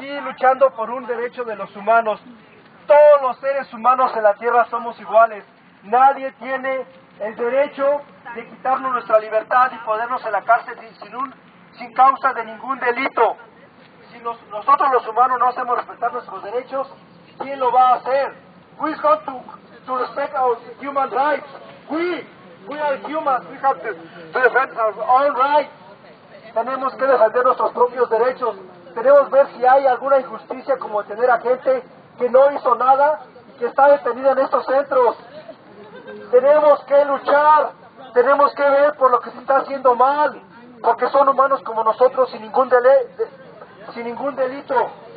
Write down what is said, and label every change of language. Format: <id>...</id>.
<es>De los humanos, todos los seres humanos en la tierra somos iguales. Nadie tiene el derecho de quitarnos nuestra libertad y ponernos en la cárcel sin causa de ningún delito. Si nosotros los humanos no hacemos respetar nuestros derechos, ¿quién lo va a hacer?</es> <en>We got to respect our human rights. We are humans. We have to defend our own rights.</en> <es>Tenemos que defender nuestros propios derechos. Tenemos que ver si hay alguna injusticia como tener a gente que no hizo nada y que está detenida en estos centros. Tenemos que luchar. Tenemos que ver por lo que se está haciendo mal, porque son humanos como nosotros sin ningún delito.</es>